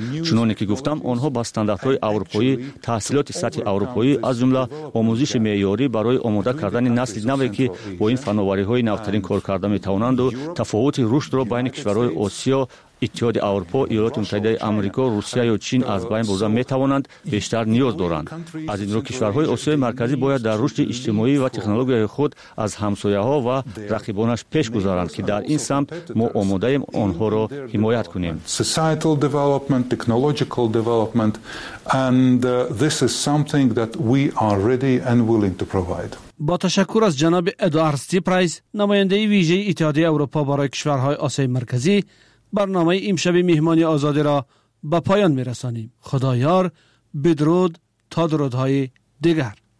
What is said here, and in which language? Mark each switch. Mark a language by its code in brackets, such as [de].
[fa] چنانی که گفتم، آنها با استانداردهای اروپایی، تحصیلات سطح اروپایی از جمله آموزش معیاری برای آماده کردن نسل نوی که با این فناوری های نوترین کار کرده می توانند و تفاوت رشد را بین کشورهای آسیا، اتحاد اروپا، ایالات متحده آمریکا، روسیه یا چین از بین برده می توانند بیشتر نیاز دارند. از این رو کشورهای آسیای مرکزی باید در رشد اجتماعی و تکنولوژی خود از همسایه ها و رقیبانش پیش گذارند که در این سمت ما آماده ایم آنها را حمایت کنیم. [en] Societal development, technological development, and this is something that we are ready and willing to provide. [fa] با تشکر از جناب ادوارد سیپرایز، نماینده ویژه اتحاد اروپا برای کشورهای آسیای مرکزی، برنامه امشب مهمانی آزادی را به پایان می رسانیم. خدا یار، بدرود تا درودهای دیگر.